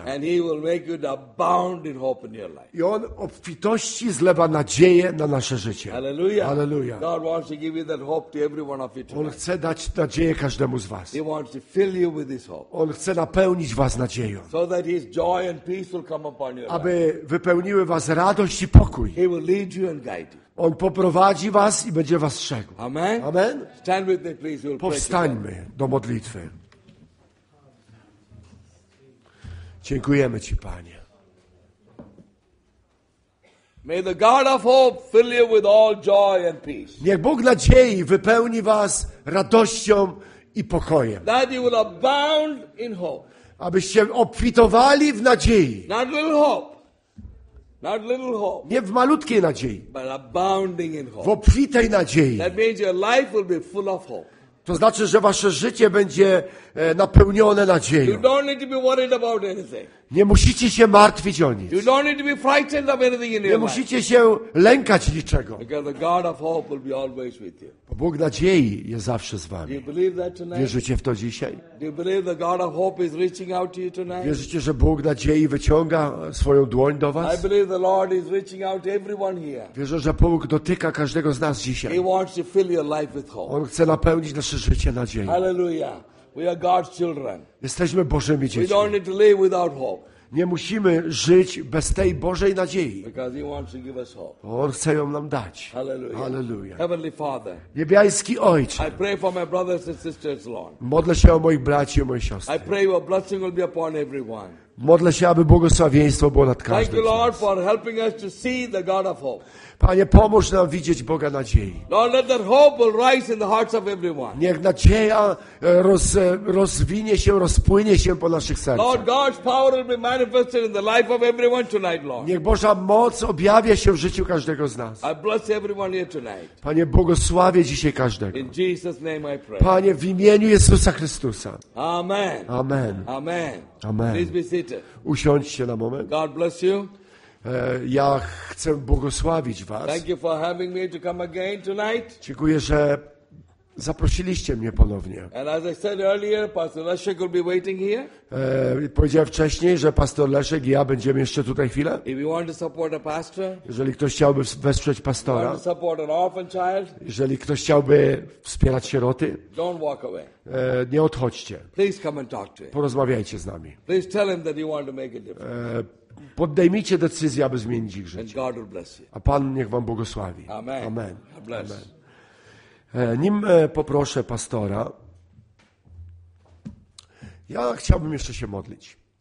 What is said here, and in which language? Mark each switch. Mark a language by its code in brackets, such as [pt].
[en] And he will make you abound in hope in your life. [pl] I On obfitości zlewa nadzieję na nasze życie. [en] Hallelujah. [pl] Hallelujah. [en] God wants to give you that hope to everyone of you tonight. [pl] On chce dać nadzieję każdemu z was. [en] He wants to fill you with his hope. [pl] On chce napełnić was nadzieją. [en] So that his joy and peace will come upon your life. [pl] Aby wypełniły was radość i pokój. [en] He will lead you and guide you. [pl] On poprowadzi was i będzie was strzegł. [en] Amen. [pl] Amen. [en] Stand with me, please. We'll [pl] powstańmy do modlitwy. Dziękujemy Ci, Panie. [en] May the God of hope fill you with all joy and peace. [pl] Niech Bóg nadziei wypełni was radością i pokojem. [en] That you will abound in hope. [pl] Abyście obfitowali w nadziei. [en] Not little hope. Not little hope, [pl] nie w malutkiej nadziei, [en] but abounding in hope. [pl] W obfitej nadziei. [en] That means your life will be full of hope. [pl] To znaczy, że wasze życie będzie napełnione nadzieją. [en] You don't need to be worried about anything. [pl] Nie musicie się martwić o nic. [en] You don't need to be frightened of anything in your [pl] nie musicie się lękać niczego. [en] Because the God of hope will be always with you. [pl] Bo Bóg nadziei jest zawsze z wami. [en] Do you believe that tonight? [pl] Wierzycie w to dzisiaj? [en] Do you believe the God of hope is reaching out to you tonight? [pl] Wierzycie, że Bóg nadziei wyciąga swoją dłoń do was? [en] I believe the Lord is reaching out to everyone here. [pl] Wierzę, że Bóg dotyka każdego z nas dzisiaj. [en] He wants to fill your life with hope. [pl] On chce napełnić nasze życie nadzieją. [en] Hallelujah. We are God's children. [pl] Jesteśmy Bożymi dziećmi. [en] We don't need to live without hope. [pl] Nie musimy żyć bez tej Bożej nadziei. [en] Because he wants to give us hope. [pl] On chce ją nam dać. [en] Hallelujah. [pl] Hallelujah. [en] Heavenly Father. [pl] Niebiański Ojcze. [en] I pray for my brothers and sisters, Lord. [pl] Modlę się o moich braci i moje siostry. [en] I pray your blessing will be upon everyone. [pl] Modlę się, aby błogosławieństwo było nad każdym. [en] Thank you, Lord, for helping us to see the God of hope. [pl] Panie, pomóż nam widzieć Boga nadziei. [en] Lord, let that hope will rise in the hearts of everyone. [pl] Niech nadzieja rozwinie się, rozpłynie się po naszych sercach. [en] Lord, God's power will be manifested in the life of everyone tonight, Lord. [pl] Niech Boża moc objawia się w życiu każdego z nas. [en] I bless everyone here tonight. [pl] Panie, błogosławię dzisiaj każdego. [en] In Jesus' name I pray. [pl] Panie, w imieniu Jezusa Chrystusa. [en] Amen. [pl] Amen. [en] Amen. [pl] Amen. [en] Please be seated. [pl] Usiądźcie na moment. [en] God bless you. [pl] Ja chcę błogosławić was. [en] Thank you for having me to come again tonight. [pl] Dziękuję, że zaprosiliście mnie ponownie. [en] And as I said earlier, Pastor Leszek will be waiting here. [pl] Powiedziałem wcześniej, że Pastor Leszek i ja będziemy jeszcze tutaj chwilę. [en] If you want to support a pastor, [pl] jeżeli ktoś chciałby wesprzeć pastora, [en] you want to support an orphan child, [pl] jeżeli ktoś chciałby wspierać sieroty, [en] don't walk away. [pl] Nie odchodźcie. [en] Please come and talk to him. [pl] Porozmawiajcie z nami. [en] Please tell him that you want to make a difference. [pl] Podejmijcie decyzję, aby zmienić ich życie. [en] And God will bless you. [pl] A Pan niech wam błogosławi. [en] Amen. [pl] Amen. [en] God bless. [pl] Amen. Nim poproszę pastora, ja chciałbym jeszcze się modlić.